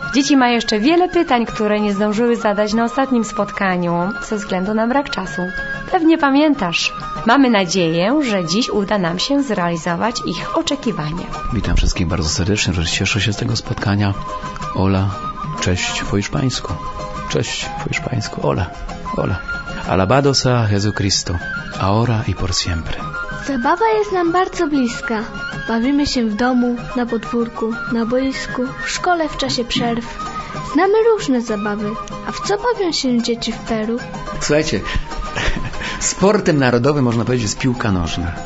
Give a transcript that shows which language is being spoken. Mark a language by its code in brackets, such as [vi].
[pl] Dzieci mają jeszcze wiele pytań, które nie zdążyły zadać na ostatnim spotkaniu ze względu na brak czasu. Pewnie pamiętasz. Mamy nadzieję, że dziś uda nam się zrealizować ich oczekiwania. Witam wszystkich bardzo serdecznie, że cieszę się z tego spotkania. Ola, cześć po hiszpańsku. Cześć po hiszpańsku. Ola, ola. [es] Alabado sea Jesu Cristo, ahora y por siempre. [pl] Zabawa jest nam bardzo bliska. Bawimy się w domu, na podwórku, na boisku, w szkole, w czasie przerw. Znamy różne zabawy. A w co bawią się dzieci w Peru? Słuchajcie, sportem narodowym, można powiedzieć, jest piłka nożna.